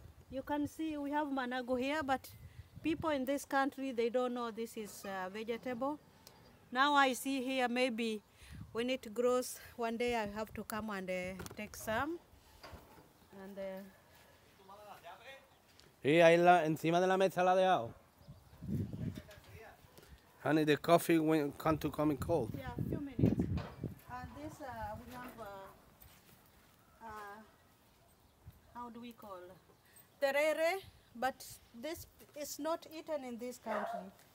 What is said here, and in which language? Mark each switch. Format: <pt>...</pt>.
<en>You can see we have Managu here, but people in this country, they don't know this is vegetable. Now I see here, maybe when it grows, one day I have to come and take some. And</en> <es>Sí, ahí la, encima de la mesa la ha dejado.</es> <en>Honey, the coffee went, come to come cold. Yeah, a few minutes. And this, we have, how do we call? Terere, but this is not eaten in this country.</en>